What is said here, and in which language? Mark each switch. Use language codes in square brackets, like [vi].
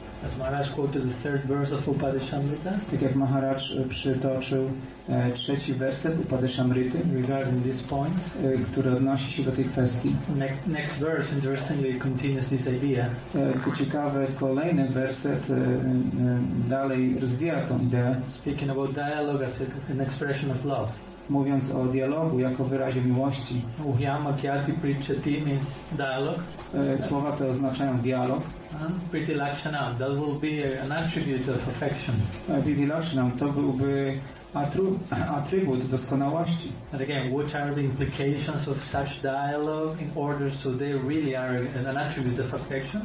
[en] As Maharaj quoted the third verse of Upadeshamrita. [pl] Tak jak Maharaj przytoczył trzeci werset Upadeshamrity [en] regarding this point, [pl] który odnosi się do tej kwestii. [en] Next verse, interestingly, continues this idea. [pl] Co ciekawe, kolejny werset dalej rozwija tą ideę. [en] Speaking about dialogue as an expression of love. [pl] Mówiąc o dialogu jako wyrazie miłości. [sa] Uhyama kyati prichati [en] means dialogue. [pl] Słowa te oznaczają dialog. [en] Priti lakshanam, that will be an attribute of affection. [pl] Priti lakshanam, to byłby atrybut doskonałości. [en] And again, what are the implications of such dialogue in order so they really are an attribute of affection?